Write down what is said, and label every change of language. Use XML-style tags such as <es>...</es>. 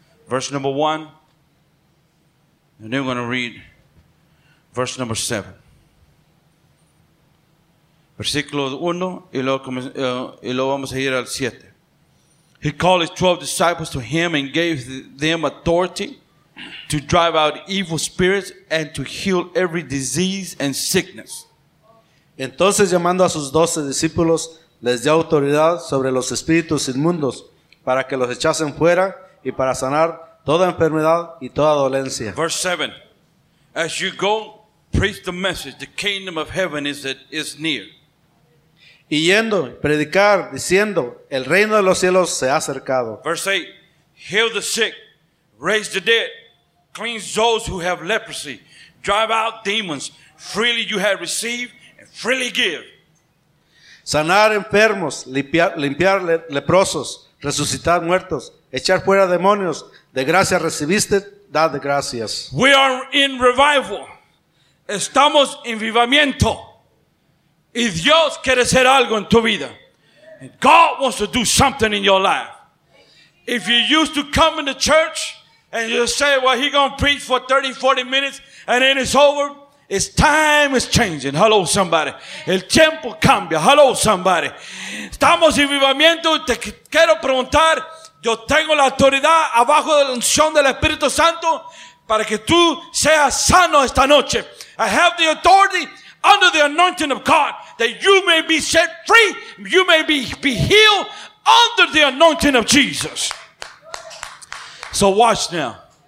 <en>Verse number one, and then we're going to read verse number seven.</en> <es>Versículo uno, y luego vamos a ir al siete.</es> <en>He called his 12 disciples to him and gave them authority to drive out evil spirits and to heal every disease and sickness.</en> <es>Entonces, llamando a sus 12 discípulos, les dio autoridad sobre los espíritus inmundos para que los echasen fuera y para sanar toda enfermedad y toda dolencia.</es> <en>Verse 7. As you go, preach the message, the kingdom of heaven is near.</en> <es>Y yendo, predicar, diciendo, el reino de los cielos se ha acercado.</es> <en>Verse 8. Heal the sick, raise the dead, cleanse those who have leprosy, drive out demons, freely you have received, and freely give.</en> <es>Sanar enfermos, limpiar leprosos, resucitar muertos, echar fuera demonios, de gracia recibiste, dad de gracias.</es> <en>We are in revival.</en> <es>Estamos en vivamiento. Y Dios quiere hacer algo en tu vida.</es> <en>God wants to do something in your life. If you used to come in the church and you say, well, he's going to preach for 30, 40 minutes and then it's over, it's time is changing. Hello, somebody.</en> <es>El tiempo cambia.</es> <en>Hello, somebody.</en> <es>Estamos en vivamiento y te quiero preguntar, yo tengo la autoridad abajo de la unción del Espíritu Santo para que tú seas sano esta noche.</es> <en>I have the authority under the anointing of God that you may be set free, you may be healed under the anointing of Jesus. So watch now.</en>